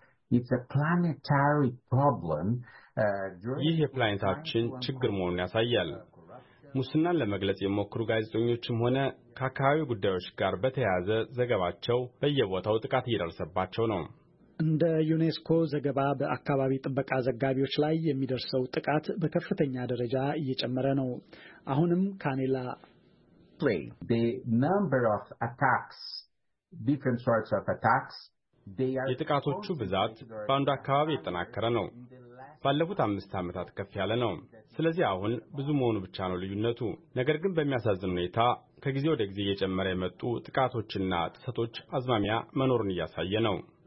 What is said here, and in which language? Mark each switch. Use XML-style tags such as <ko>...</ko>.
<en>It's a planetary problem.</en> <am>ይህ የፕላኔታችን ችግር መሆኑን ያሳያል። ሙስናን ለመግለጽ የሞከሩ ጋዜጠኞችም ሆነ ከአካባቢ ጉዳዮች ጋር በተያያዘ ዘገባቸው በየቦታው ጥቃት እየደረሰባቸው ነው። እንደ ዩኔስኮ ዘገባ በአካባቢ ጥበቃ ዘጋቢዎች ላይ የሚደርሰው ጥቃት በከፍተኛ ደረጃ እየጨመረ ነው። አሁንም ካኔላ</am> <en>the number of attacks, different sorts of attacks,</en> <am>የጥቃቶቹ ብዛት በአንዱ አካባቢ የተጠናከረ ነው። ባለፉት 5 ዓመታት ከፍ ያለ ነው። ስለዚህ አሁን ብዙ መሆኑ ብቻ ነው ልዩነቱ። ነገር ግን በሚያሳዝን ሁኔታ ከጊዜ ወደ ጊዜ እየጨመረ የመጡ ጥቃቶችና ጥሰቶች አዝማሚያ መኖሩን እያሳየ ነው።</am>